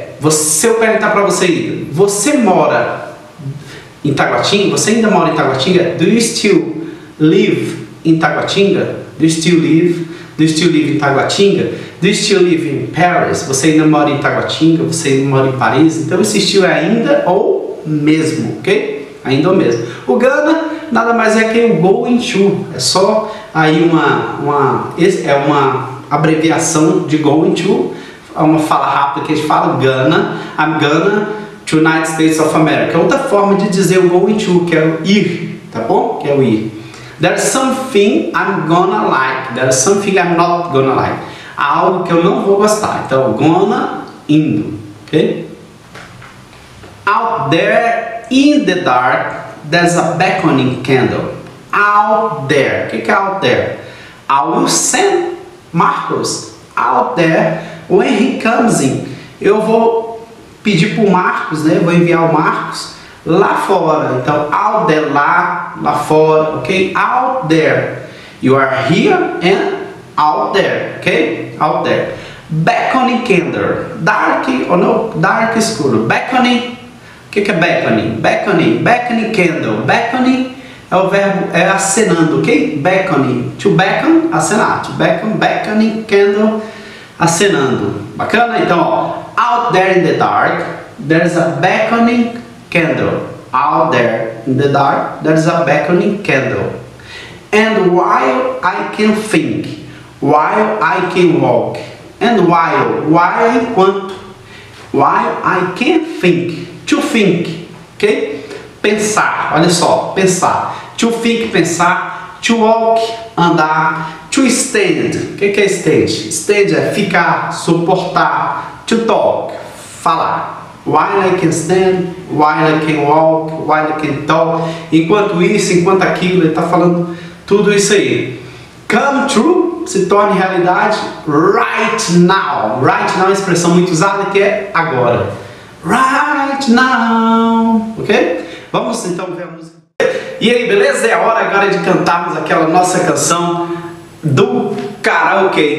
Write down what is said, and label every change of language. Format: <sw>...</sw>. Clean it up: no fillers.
<pt>Se eu perguntar para você aí, você mora em Taguatinga? Você ainda mora em Taguatinga?</pt> <en>Do you still live in Taguatinga? Do you still live? Do you still live in Taguatinga? Do you still live in Paris?</en> <pt>Você ainda mora em Taguatinga? Você ainda mora em Paris? Então esse still é ainda ou mesmo, ok? Ainda ou mesmo. O gonna nada mais é que o going to. É só aí uma abreviação de going to. É uma fala rápida que a gente fala, gonna,</pt> <en>I'm gonna to United States of America.</en> <pt>É outra forma de dizer o going to, que é o ir, tá bom? Que é o ir.</pt> <en>There's something I'm gonna like. There's something I'm not gonna like.</en> <pt>Há algo que eu não vou gostar. Então, gonna, indo, ok?</pt> <en>Out there in the dark, there's a beckoning candle. Out there.</en> <pt>O que é</pt> <en>out there? I will send Marcos out there. When he comes in,</en> <pt>eu vou pedir para o Marcos, né? Vou enviar o Marcos lá fora. Então, out there, lá fora, ok?</pt> <en>Out there. You are here and out there, ok? Out there. Beckoning candle. Dark,</en> <pt>ou não?</pt> <en>Dark escuro. Beckoning.</en> <pt>O que é</pt> <en>beckoning? Beckoning. Beckoning candle. Beckoning</en> <pt>é o verbo é acenando, ok? Beckoning,</pt> <en>to beckon,</en> <pt>acenar, to beckon, beckoning, candle, acenando. Bacana?</pt> <en>Então, ó, out there in the dark, there's a beckoning candle. Out there in the dark, there's a beckoning candle. And while I can think, while I can walk. And while enquanto, while I can think, to think, ok?</en> <pt>Pensar, olha só, pensar.</pt> <en>To think,</en> <pt>pensar.</pt> <en>To walk, andar. To stand,</en> <pt>o que, que é stand? Stand é ficar, suportar.</pt> <en>To talk,</en> <pt>falar.</pt> <en>While I can stand, while I can walk, while I can talk.</en> <pt>Enquanto isso, enquanto aquilo, ele está falando tudo isso aí.</pt> <en>Come true,</en> <pt>se torne realidade,</pt> <en>right now.</en> <pt>Right now é uma expressão muito usada, que é agora. Right now, ok? Vamos então ver a música. E aí, beleza? É hora agora de cantarmos aquela nossa canção do karaokê.</pt>